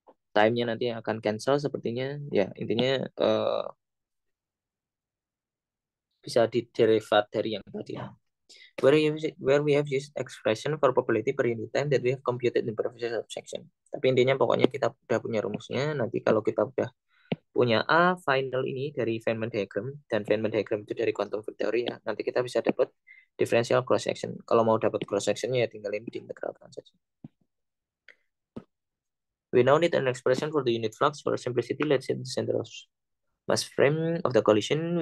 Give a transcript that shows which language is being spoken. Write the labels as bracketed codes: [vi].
[id] Time-nya nanti akan cancel sepertinya. Ya, intinya bisa diderivat dari yang tadi. [en] Where we have used expression for probability per unit time that we have computed in previous section. [id] Tapi intinya pokoknya kita udah punya rumusnya. Nanti kalau kita udah punya A final ini dari Feynman diagram, dan Feynman diagram itu dari quantum field theory ya, nanti kita bisa dapat differential cross section. Kalau mau dapat cross sectionnya ya tinggal ini diintegralkan saja. [en] We now need an expression for the unit flux. For simplicity, let's say the center of mass frame of the collision.